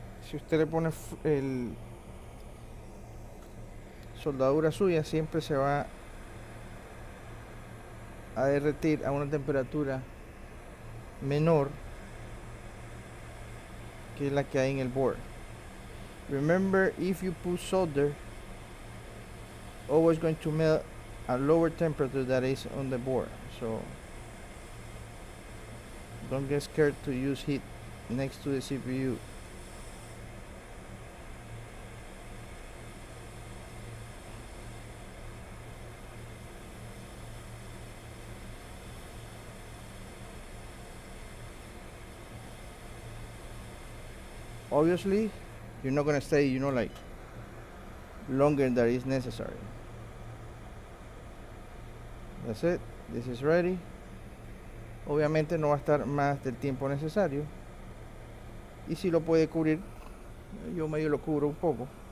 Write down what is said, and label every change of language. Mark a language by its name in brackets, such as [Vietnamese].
[Spanish] Si usted le pone el soldadura suya, siempre se va a derretir a una temperatura menor que la que hay en el board. [English] Remember, if you put solder, always going to melt a lower temperature that is on the board. So don't get scared to use heat next to the CPU. Obviously, you're not gonna stay, you know, like longer than is necessary. That's it, this is ready. [Spanish] Obviamente no va a estar más del tiempo necesario. Y si lo puede cubrir, yo medio lo cubro un poco.